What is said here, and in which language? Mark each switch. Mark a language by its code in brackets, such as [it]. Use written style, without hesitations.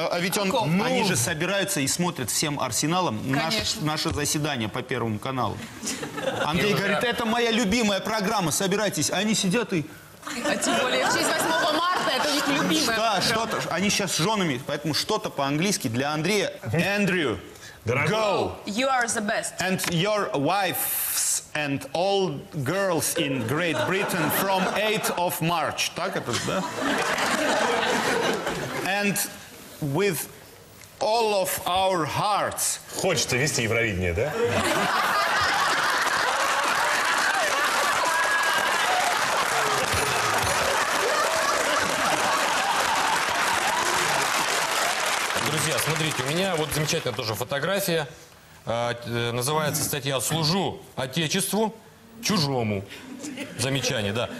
[ru] А ведь он, они же собираются и смотрят всем арсеналом наше заседание по Первому каналу. Андрей говорит, это моя любимая программа, собирайтесь. А они сидят и... А тем более, в честь 8 марта, это у них любимое. Да, что-то. Они сейчас с женами, поэтому что-то по-английски для Андрея. [en] Andrew, [ru] дорогой. [en] Go. You are the best. And your wives and all girls in Great Britain from 8th of March. [ru] Так это, да? [en] And with all of our hearts. [ru] Хочется вести Евровидение, да? Смотрите, у меня вот замечательная тоже фотография. Называется статья «Служу Отечеству чужому». Замечание, да.